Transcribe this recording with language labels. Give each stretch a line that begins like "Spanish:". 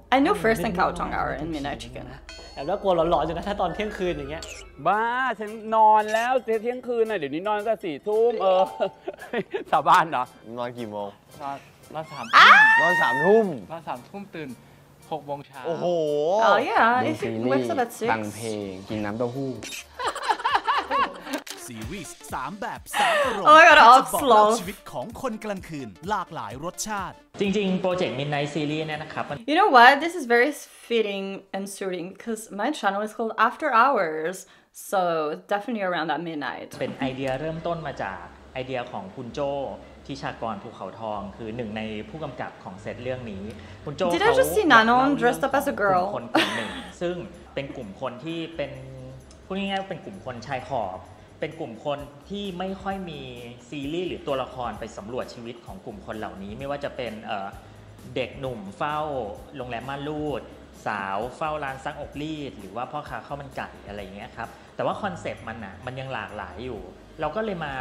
English: I know First and Kowtong are in Midnight Chicken
Thai: แอบแล้วกลัวหลอนๆอยู่นะถ้าตอนเที่ยงคืนอย่างเงี้ย บ้าฉันนอนแล้วเที่ยงคืนน่ะเดี๋ยวนี้นอนตั้งสี่ทุ่มสาบานเหรอ นอนกี่โมง นอนสาม นอนสามทุ่ม นอนสามทุ่มตื่น โอ้โห ดู ซีรีส์ฟังเพลงกินน้ำเต้าหู้ซีรีส์สามแบบสามอารมณ์จะบอกเล่าชีวิตของคนกลางคืน หลากหลายรสชาติจริงๆโปรเจกต์ Midnight Series เนี่ยนะครับ
English: You know what? This is very fitting and suiting because my channel is called After Hours so definitely around that midnight
Thai: เป็นไอเดียเริ่มต้นมาจากไอเดียของคุณโจทิชากรภูเขาทองคือหนึ่งในผู้กำกับของเซตเรื่องนี้คุณโจ
English: Did I just see Nanon dressed up as a girl?
Thai: คนกลุ่มหนึ่งซึ่งเป็นกลุ่มคนที่เป็นพูดง่ายๆเป็นกลุ่มคนชายขอบเป็นกลุ่มคนที่ไม่ค่อยมีซีรีส์หรือตัวละครไปสำรวจชีวิตของกลุ่มคนเหล่านี้ไม่ว่าจะเป็นเด็กหนุ่มเฝ้าโรงแรมม่านรูดสาวเฝ้าร้านซักอกรีดหรือว่าพ่อค้าข้าวมันไก่อะไรอย่างเงี้ยครับแต่ว่าคอนเซ็ปต์มันอ่ะมันยังหลากหลายอยู่เราก็เลยมา